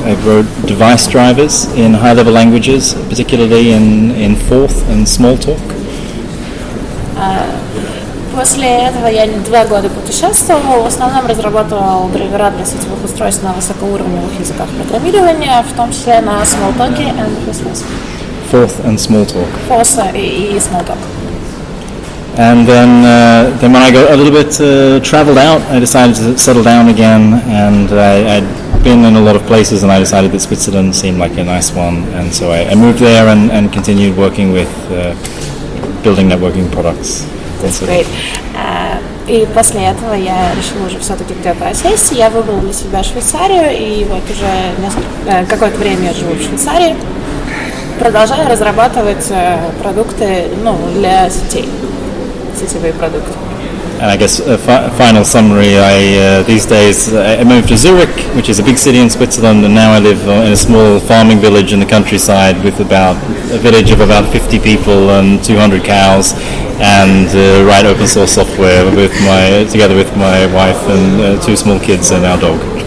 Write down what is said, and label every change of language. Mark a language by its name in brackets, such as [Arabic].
[English] I wrote device drivers in high-level languages, particularly in Forth and Smalltalk. [Russian] После этого я 2 года путешествовал, в основном разрабатывал драйвера для сетевых устройств на высокоуровневых языках программирования, в том числе на Smalltalk и Postgres. [English] Forth and Smalltalk. [Russian] Forth и Smalltalk. [English] And then when I got a little bit traveled out, I decided to settle down again, and I'd been in a lot of places, and I decided that Switzerland seemed like a nice one, and so I moved there and continued working with building networking products. That's great. [Russian] И после этого я решила уже все-таки где-то осесть. Я выбрала для себя Швейцарию, и вот уже какое-то время я живу в Швейцарии. Продолжаю разрабатывать продукты, ну, для сетей, сетевые продукты. [English] And I guess final summary, these days I moved to Zurich, which is a big city in Switzerland, and now I live in a small farming village in the countryside with about a village of about 50 people and 200 cows, and write open source software together with my wife and two small kids and our dog.